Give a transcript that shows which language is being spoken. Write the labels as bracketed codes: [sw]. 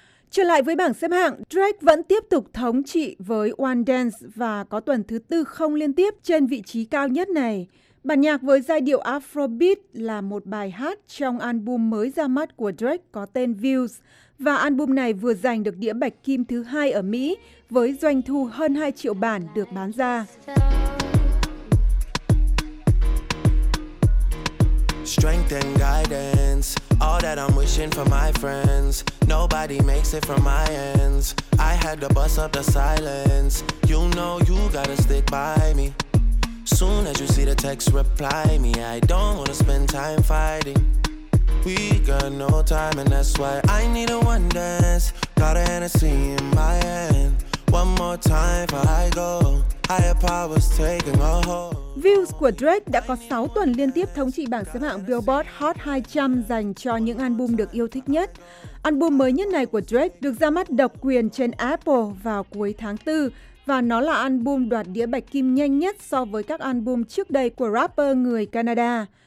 [vi] Trở lại với bảng xếp hạng, Drake vẫn tiếp tục thống trị với One Dance và có tuần thứ tư không liên tiếp trên vị trí cao nhất này. Bản nhạc với giai điệu Afrobeat là một bài hát trong album mới ra mắt của Drake có tên Views. Và album này vừa giành được đĩa bạch kim thứ 2 ở Mỹ với doanh thu hơn 2 triệu bản được bán ra. [en] Strength and guidance, all that I'm wishing for my friends. Nobody makes it from my ends. I had to bust up the silence. You know you gotta stick by me. Soon as you see the text, reply me. I don't wanna spend time fighting. We got no time, and that's why I need a one dance. Got a Hennessy in my hand. One more time before I go. Higher powers taking a hold. [vi] Views của Drake đã có 6 tuần liên tiếp thống trị bảng xếp hạng Billboard Hot 200 dành cho những album được yêu thích nhất. Album mới nhất này của Drake được ra mắt độc quyền trên Apple vào cuối tháng 4. Và nó là album đoạt đĩa bạch kim nhanh nhất so với các album trước đây của rapper người Canada.